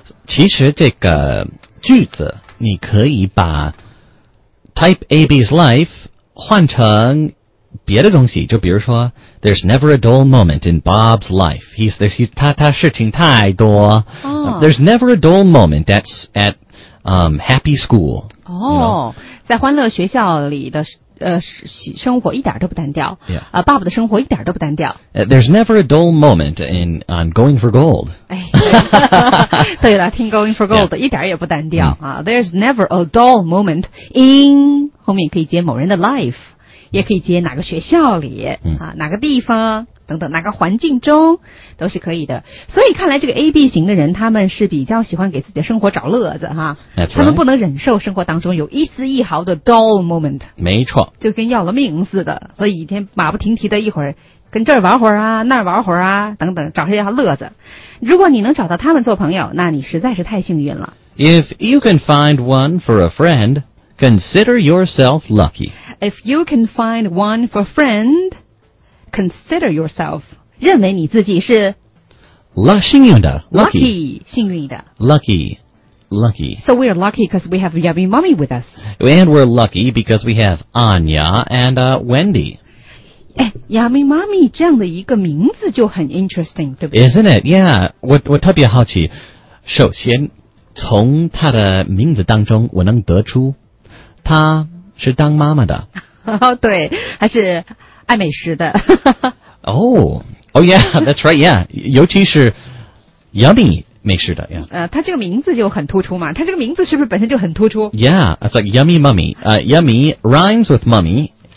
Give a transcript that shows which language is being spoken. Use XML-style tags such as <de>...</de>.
<zh>其实这个句子你可以把 type AB's life 换成别的东西，就比如说 ，</zh> <en>There's never a dull moment in Bob's life.</en> <zh>He's 他事情太多。哦、</zh> <en>There's never a dull moment. That's at happy school. 哦， you know?</en> <zh>在欢乐学校里的生活一点都不单调。</zh> <en>Yeah.</en> <zh>Bob 的生活一点都不单调。</zh> <en>There's never a dull moment in I'm going for gold.</en> <zh>哎，对了，听 going for gold、yeah. 一点也不单调、mm. 啊。</zh> <en>There's never a dull moment in</en> <zh>后面可以接某人的 life。也可以接哪个学校里、嗯、啊，哪个地方等等，哪个环境中都是可以的。所以看来这个 AB 型的人，他们是比较喜欢给自己的生活找乐子哈。</zh> <en>That's、</en> <zh>他们不能忍受生活当中有一丝一毫的 dull moment。没错，就跟要了命似的，所以一天马不停蹄的，一会儿跟这儿玩会儿啊，那儿玩会儿啊，等等，找些乐子。如果你能找到他们做朋友，那你实在是太幸运了。</zh> <en>If you can find one for a friend. Consider yourself lucky. If you can find one for a friend, consider yourself.</en> <zh>认为你自己是幸运的 lucky, 幸运的</zh> <en>lucky. So we are lucky because we have Yummy Mommy with us. And we're lucky because we have Anya and Wendy.</en> <zh>哎 ，Yummy Mommy 这样的一个名字就很 interesting, 对不对？</zh> <en>Isn't it? Yeah.</en> <zh>我特别好奇。首先，从他的名字当中，我能得出。她是当妈妈的、 oh, 对还是爱美食的</zh> <en>哦哦、oh, oh、yeah that's right yeah</en> <zh>尤其是</zh> <en>yummy 美食的、yeah.</en> <zh>她这个名字就很突出嘛她这个名字是不是本身就很突出</zh> <en>yeah it's like yummy mummy、yummy rhymes with mummy</en>